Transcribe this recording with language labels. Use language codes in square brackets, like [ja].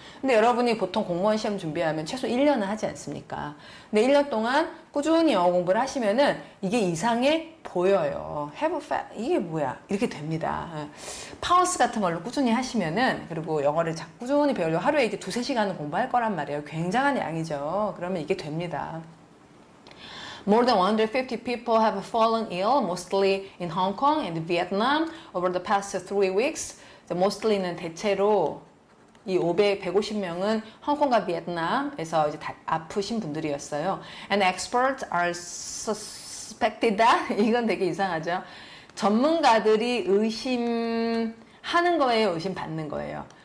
[ko] 근데 여러분이 보통 공무원 시험 준비하면 최소 1년은 하지 않습니까? 근데 1년 동안 꾸준히 영어 공부를 하시면은 이게 이상해 보여요. Have fa 이게 뭐야? 이렇게 됩니다. 파운스 같은 걸로 꾸준히 하시면은 그리고 영어를 자꾸 꾸준히 배우려고 하루에 이제 두세 시간은 공부할 거란 말이에요. 굉장한 양이죠. 그러면 이게 됩니다. [en] More than 150 people have fallen ill, mostly in Hong Kong and Vietnam over the past 3 weeks. [ko] Mostly는 대체로 이 150명은 홍콩과 비엔남에서 이제 다 아프신 분들이었어요. [en] And experts are suspected that [ko] 이건 되게 이상하죠. 전문가들이 의심하는 거예요, 의심받는 거예요.